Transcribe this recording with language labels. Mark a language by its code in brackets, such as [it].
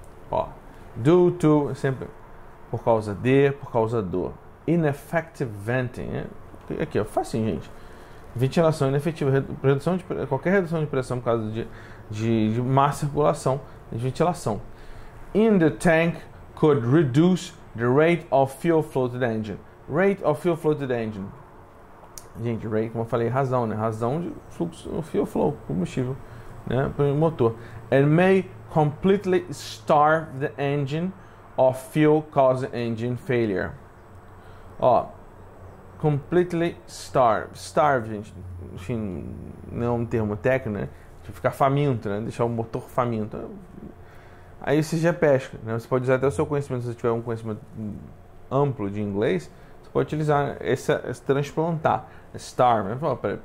[pt] Ó, [en] due to, [pt] sempre por causa de, por causa do. [en] Ineffective venting. [pt] É, aqui, ó, facinho, gente. Ventilação inefetiva. Redução de, qualquer redução de pressão por causa de má circulação de ventilação. [en] In the tank could reduce the rate of fuel flow to the engine. Rate of fuel flow to the engine. [pt] Gente, rate, como eu falei, razão, né? Razão de fluxo, fuel flow, combustível, né? Para o motor. [en] And may completely starve the engine of fuel, causing engine failure. [pt] Ó, [en] completely starve. [pt] Starve, gente, enfim, não é um termo técnico, né? Tipo, ficar faminto, né? Deixar o motor faminto. Aí você já pesca, né? Você pode usar até o seu conhecimento, se você tiver um conhecimento amplo de inglês. Pode utilizar esse transplantar, starve, né?